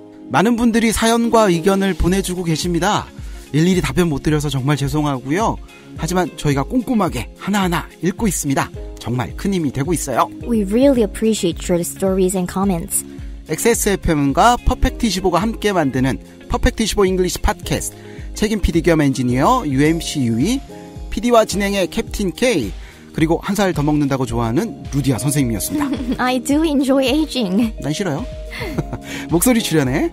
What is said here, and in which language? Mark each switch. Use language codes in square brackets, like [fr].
[ko] 많은 분들이 사연과 의견을 보내주고 계십니다. 일일이 답변 못 드려서 정말 죄송하고요. 하지만 저희가 꼼꼼하게 하나하나 읽고 있습니다. 정말 큰 힘이 되고 있어요. [en] We really appreciate your stories and comments. [ko] XSFM과 퍼펙트25가 함께 만드는 퍼펙트25 잉글리시 팟캐스트. 책임 PD 겸 엔지니어 UMCUE, PD와 진행의 캡틴 K, 그리고 한 살 더 먹는다고 좋아하는 루디아 선생님이었습니다. [en] I do enjoy aging. [ko] 난 싫어요. 목소리 출연해